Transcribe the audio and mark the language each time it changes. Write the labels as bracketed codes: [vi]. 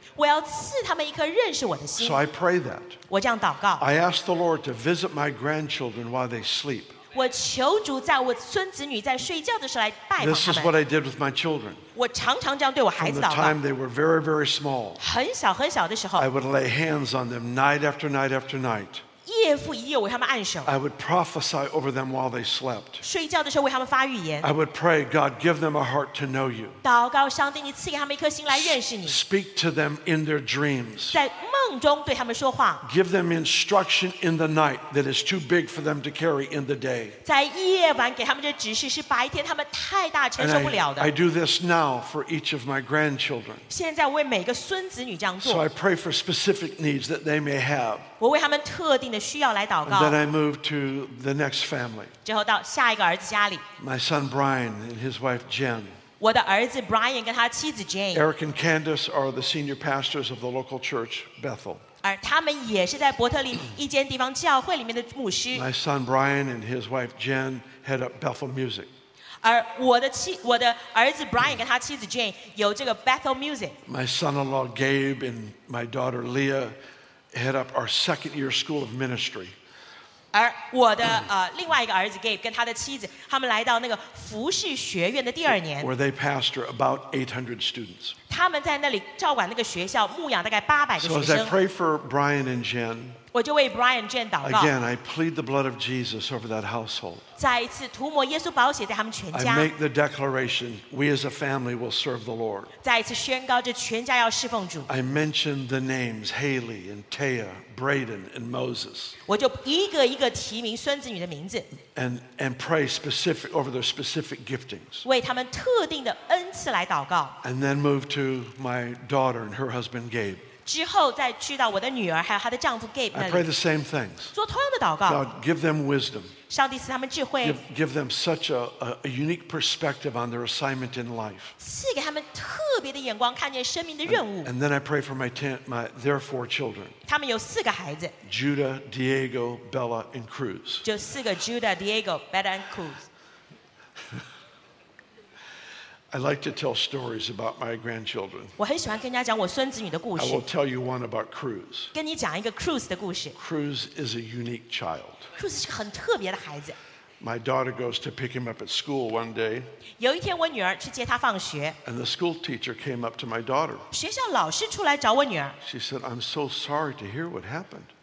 [zh] 我要赐他们一颗认识我的心。 [en] So I pray that. [zh] 我这样祷告。 [en] I ask the Lord to visit my grandchildren while they sleep. [zh] 我求主在我孙子女在睡觉的时候来拜访他们。 [en] This is what I did with my children. [zh] 我常常这样对我孩子祷告。 [en] From the time they were very, very small, [zh] 很小很小的时候， [en] I would lay hands on them night after night after night. [zh] 夜复一夜为他们按手。 [en] I would prophesy over them while they slept. [zh] 睡觉的时候为他们发预言。 [en] I would pray, God, give them a heart to know You. [zh] 祷告上帝，你赐给他们一颗心来认识你。 [en] Speak to them in their dreams. [zh] 在梦。梦中对他们说话。 [en] Give them instruction in the night that is too big for them to carry in the day. [zh] 在夜晚给他们的指示是白天他们太大承受不了的。 [en] I do this now for each of my grandchildren. [zh] 现在我为每个孙子女这样做。 [en] So I pray for specific needs that they may have. [zh] 我为他们特定的需要来祷告。 [en] Then I move to the next family. [zh] 之后到下一个儿子家里。 [en] My son Brian and his wife Jen. [zh] 我的儿子 Brian 跟他妻子 Jane. [en] Eric and Candace are the senior pastors of the local church, Bethel. [zh] 而他们也是在伯特利一间地方教会里面的牧师。 [en] My son Brian and his wife Jen head up Bethel Music. [zh] 而我的儿子 Brian 跟他妻子 Jane 有这个 Bethel Music. [en] My son-in-law Gabe and my daughter Leah head up our second year school of ministry. [zh] 而我的另外一个儿子 Gabe 跟他的妻子，他们来到那个服事学院的第二年。 [en] Where they pastor about 800 students. [zh] 他们在那里照管那个学校，牧养大概800个学生。 [en] So as I pray for Brian and Jen, [zh] 我就为 Brian Jen 祷告。 [en] Again, I plead the blood of Jesus over that household. [zh] 再一次涂抹耶稣宝血在他们全家。 [en] I make the declaration: we as a family will serve the Lord. [zh] 再一次宣告，这全家要侍奉主。 [en] I mention the names Haley and Taya. Braden and Moses. [zh] 我就一个一个提名孙子女的名字。 [en] And pray specific over their specific giftings. [zh] 为他们特定的恩赐来祷告。 [en] And then move to my daughter and her husband Gabe. [zh] 之后再去到我的女儿还有她的丈夫 Gabe 那里。 [en] I pray the same things. [zh] 做同样的祷告。 [en] God, give them wisdom. [zh] 上帝赐他们智慧。 [en] Give them such a unique perspective on their assignment in life. [zh] 赐给他们特别的眼光，看见生命的任务。 [en] And then I pray for their four children. [zh] 他们有四个孩子 [en] Judah, Diego, Bella, and Cruz. [zh] 就四个 Judah, Diego, Bella, and Cruz. [en] I like to tell stories about my grandchildren. [zh] 我很喜欢跟人家讲我孙子女的故事 [en] I will tell you one about Cruz. [zh] 跟你讲一个 Cruz 的故事 [en] Cruz is a unique child. [zh] Cruz 是很特别的孩子 [en] My daughter goes to pick him up at school one day. [zh] 有一天我女儿去接他放学 [en] And the school teacher came up to my daughter. [zh] 学校老师出来找我女儿 [en] She said, I'm so sorry to hear what happened.